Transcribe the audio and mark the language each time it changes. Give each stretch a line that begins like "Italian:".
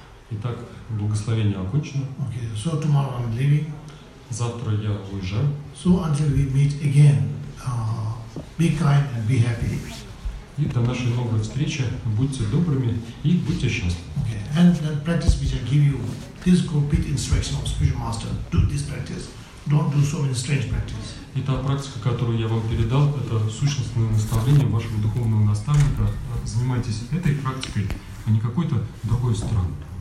Russian: Итак, благословение окончено.
English: Okay, so tomorrow I'm leaving.
Russian: Завтра я уезжаю.
English: So until we meet again, be kind and be happy.
Russian: И до нашей новой встречи будьте добрыми и будьте счастливы.
English: Okay, and then practice which I give you, this complete instruction of spiritual master, do this practice, don't do so many strange practice.
Russian: И та практика, которую я вам передал, это сущностное наставление вашего духовного наставника. Занимайтесь этой практикой, а не какой-то другой странной.